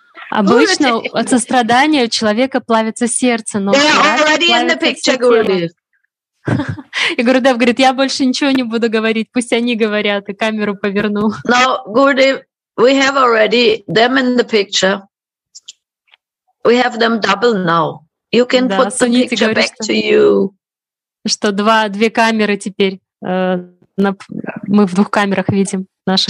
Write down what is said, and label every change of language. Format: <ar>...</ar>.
<ru>Обычно от сострадания у человека плавится сердце, но</ru> <en>they are already in the picture, Gurudev.</en> <ru>И Гурудев говорит, я больше ничего не буду говорить, пусть они говорят, и камеру поверну.</ru> <en>No, Gurudev, we have already them in the picture. We have them double now. You can put the picture</en> <ru>говорит,</ru> <en>back to you.</en> <ru>Что две камеры теперь. Мы в двух камерах видим наши</ru>